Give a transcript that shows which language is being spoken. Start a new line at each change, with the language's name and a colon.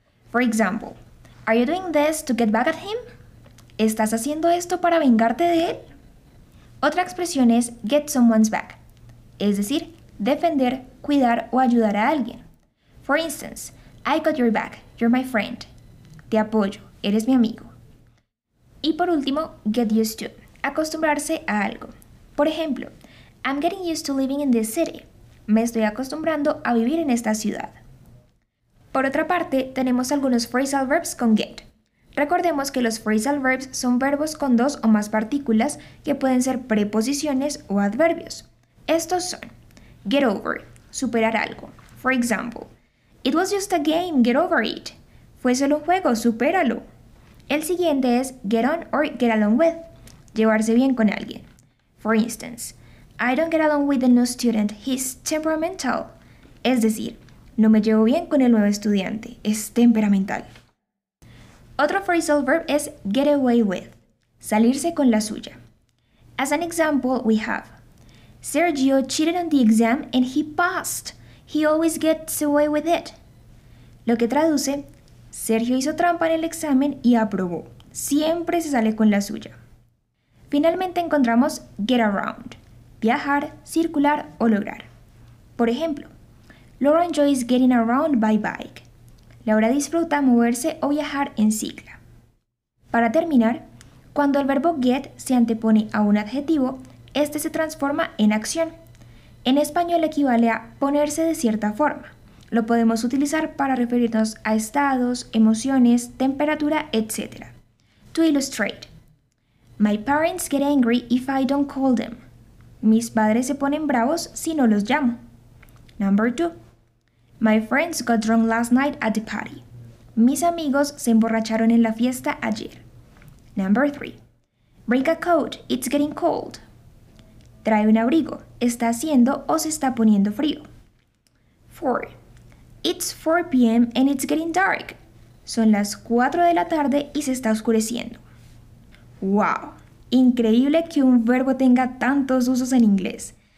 English: For example, are you doing this to get back at him?
Spanish: ¿Estás haciendo esto para vengarte de él? Otra expresión es
English: get someone's back,
Spanish: es decir, defender, cuidar o ayudar a alguien.
English: For instance, I got your back, you're my friend.
Spanish: Te apoyo, eres mi amigo. Y por último,
English: get used to,
Spanish: acostumbrarse a algo. Por ejemplo,
English: I'm getting used to living in this city.
Spanish: Me estoy acostumbrando a vivir en esta ciudad. Por otra parte, tenemos algunos phrasal verbs con get. Recordemos que los phrasal verbs son verbos con dos o más partículas que pueden ser preposiciones o adverbios. Estos son
English: get over,
Spanish: superar algo.
English: For example, it was just a game, get over it.
Spanish: Fue solo un juego, supéralo. El siguiente es
English: get on or get along with,
Spanish: llevarse bien con alguien.
English: For instance, I don't get along with the new student, he's temperamental.
Spanish: Es decir, no me llevo bien con el nuevo estudiante, es temperamental. Otro phrasal verb es
English: get away with,
Spanish: salirse con la suya.
English: As an example, we have Sergio cheated on the exam and he passed. He always gets away with it.
Spanish: Lo que traduce, Sergio hizo trampa en el examen y aprobó. Siempre se sale con la suya. Finalmente encontramos
English: get around,
Spanish: viajar, circular o lograr. Por ejemplo,
English: Laura enjoys getting around by bike.
Spanish: Laura disfruta moverse o viajar en cicla. Para terminar, cuando el verbo get se antepone a un adjetivo, este se transforma en acción. En español equivale a ponerse de cierta forma. Lo podemos utilizar para referirnos a estados, emociones, temperatura, etc.
English: To illustrate, my parents get angry if I don't call them.
Spanish: Mis padres se ponen bravos si no los llamo.
English: Number two. My friends got drunk last night at the party.
Spanish: Mis amigos se emborracharon en la fiesta ayer.
English: Number 3. Bring a coat, it's getting cold.
Spanish: Trae un abrigo, está haciendo o se está poniendo frío.
English: 4. It's 4 p.m. and it's getting dark.
Spanish: Son las 4 de la tarde y se está oscureciendo. ¡Wow! Increíble que un verbo tenga tantos usos en inglés.